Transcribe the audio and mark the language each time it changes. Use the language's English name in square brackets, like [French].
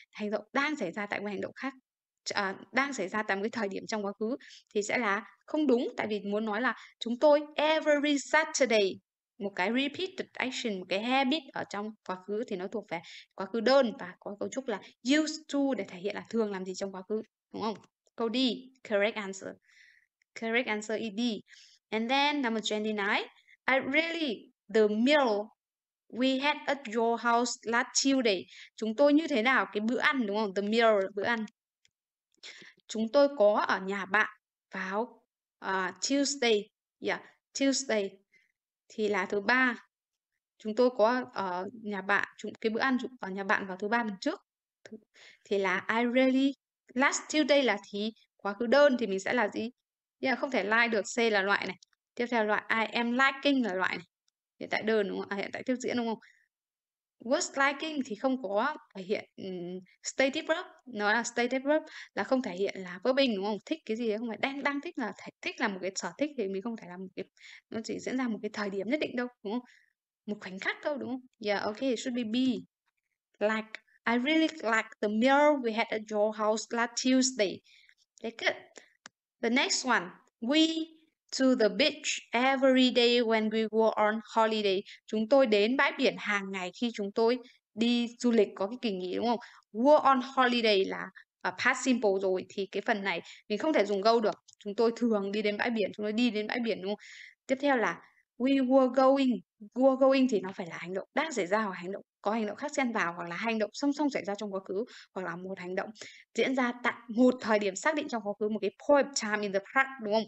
[Vietnamese] Hành động đang xảy ra tại một hành động khác, đang xảy ra tại một cái thời điểm trong quá khứ thì sẽ là không đúng, tại vì muốn nói là chúng tôi every Saturday, một cái [English] repeated action, [Vietnamese] một cái habit ở trong quá khứ thì nó thuộc về quá khứ đơn và có cấu trúc là used to để thể hiện là thường làm gì trong quá khứ đúng không? Câu D, [English] correct answer. Correct answer is D. And then number 29, I really the meal we had at your house last Tuesday. [Vietnamese] Chúng tôi như thế nào cái bữa ăn đúng không? [English] The meal, [Vietnamese] bữa ăn. Chúng tôi có ở nhà bạn vào Tuesday. Tuesday thì là thứ ba. Chúng tôi có ở nhà bạn, cái bữa ăn ở nhà bạn vào thứ ba tuần trước. Thì là [English] I really last Tuesday [Vietnamese] là thì quá khứ đơn thì mình sẽ là gì? Không thể like được, C là loại này. Tiếp theo loại [English] I am liking [Vietnamese] là loại này. Hiện tại đơn đúng không? Hiện tại tiếp diễn đúng không? [English] Was liking [Vietnamese] thì không có thể hiện [English] stative verb, [Vietnamese] nó là stative verb là không thể hiện là verbing đúng không? Thích cái gì ấy, không phải đang đang thích, là thích là một cái sở thích thì mình không thể làm một cái, nó chỉ diễn ra một cái thời điểm nhất định đâu đúng không? Một khoảnh khắc đâu đúng không? [English] Ok, it should be B. Like, I really like the meal we had at your house last Tuesday. [Vietnamese] Đấy kìa. [English] The next one, we to the beach every day when we were on holiday. [Vietnamese] Chúng tôi đến bãi biển hàng ngày khi chúng tôi đi du lịch có cái kỳ nghỉ đúng không? [English] Were on holiday [Vietnamese] là past simple rồi, thì cái phần này mình không thể dùng go được. Chúng tôi thường đi đến bãi biển, chúng tôi đi đến bãi biển đúng không? Tiếp theo là were going thì nó phải là hành động đang xảy ra, hoặc hành động có hành động khác xen vào, hoặc là hành động song song xảy ra trong quá khứ, hoặc là một hành động diễn ra tại một thời điểm xác định trong quá khứ, một cái [English] point time in the past [Vietnamese] đúng không?